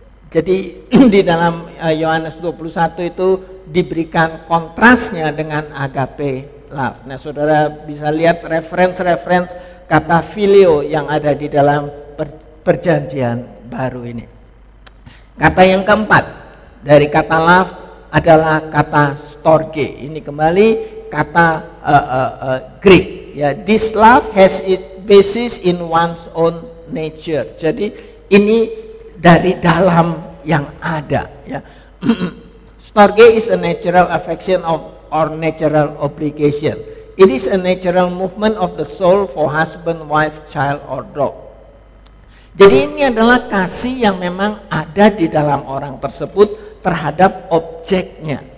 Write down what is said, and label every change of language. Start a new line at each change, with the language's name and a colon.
Indonesian: Jadi di dalam Yohanes 21 itu diberikan kontrasnya dengan agape love. Nah, saudara bisa lihat reference-reference kata phileo yang ada di dalam perjanjian baru ini. Kata yang keempat dari kata love adalah kata storge. Ini kembali kata Greek.
English: Ya, this love has its basis in one's own nature.
Indonesian: Jadi ini dari dalam yang ada. Ya.
English: Storge is a natural affection of or natural obligation. It is a natural movement of the soul for husband, wife, child, or dog.
Indonesian: Jadi ini adalah kasih yang memang ada di dalam orang tersebut terhadap objeknya.